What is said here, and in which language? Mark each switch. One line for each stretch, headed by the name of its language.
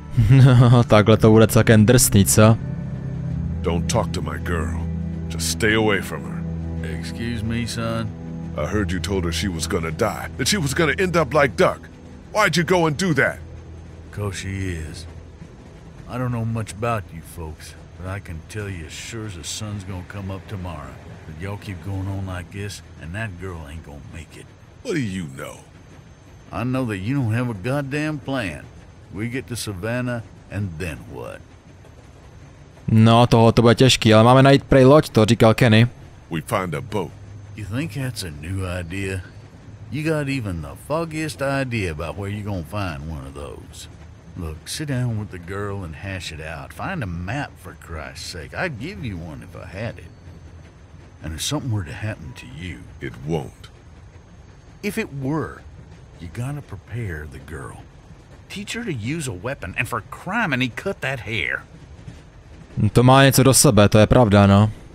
Czech: No, takhle to bude celkem drsný, co?
English: Don't talk to my girl. Just stay away from her. Excuse me, son. I heard you told her she was gonna die, that she was gonna end up like Duck. Why'd you go and do that? 'Cause she is. I don't know much about you folks, but I can tell you as sure as the sun's gonna come up tomorrow that y'all keep going on like this, and that girl ain't gonna make it. What do you know? I know that you don't have a goddamn plan. We get to Savannah, and then what?
Czech: No, tohle to bude těžký, ale máme najít prej loď, to říkal Kenny.
English: We find a boat. You think that's a new idea? You got even the foggiest idea about where you're gonna find one of those. Look, sit down with the girl and hash it out. Find a map, for Christ's sake. I'd give you one if I had it. And if something were to happen to you... It won't. If it were, you gotta prepare the girl. Teach her to use a weapon, and for criminy, cut that hair.
Czech: To má něco do sebe, to je pravda, no.